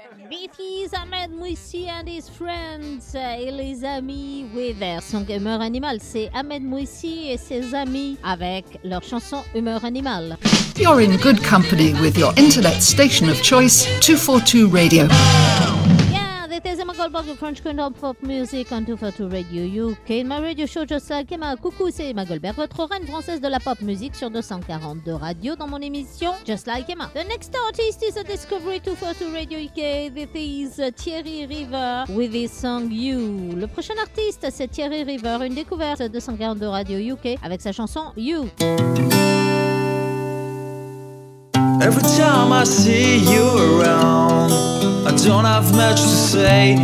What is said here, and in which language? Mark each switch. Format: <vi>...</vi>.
<en>Memphis, Ahmed, Moussi and his friends</en> <fr>et les amis</fr> <en>with their song Humeur Animal.</en> <fr>C'est Ahmed Moussi et ses amis avec leur chanson Humeur Animal.</fr> <en>You're in good company with your internet station of choice, 242 Radio.</en> <fr>C'est ma Goldberg, le</fr> <en>French Queen of Pop Music on 242 Radio UK. Ma radio show, just like Emma.</en> <fr>Coucou, c'est ma Goldberg, votre reine française de la pop music sur 242 Radio dans mon émission Just Like Emma.</fr> <en>The next artist is a discovery 242 Radio UK. This is Thierry River with his song You.</en> <fr>Le prochain artiste, c'est Thierry River, une découverte 242 Radio UK avec sa chanson You.</fr> <en>Every time I see you around, I don't have much to say.</en>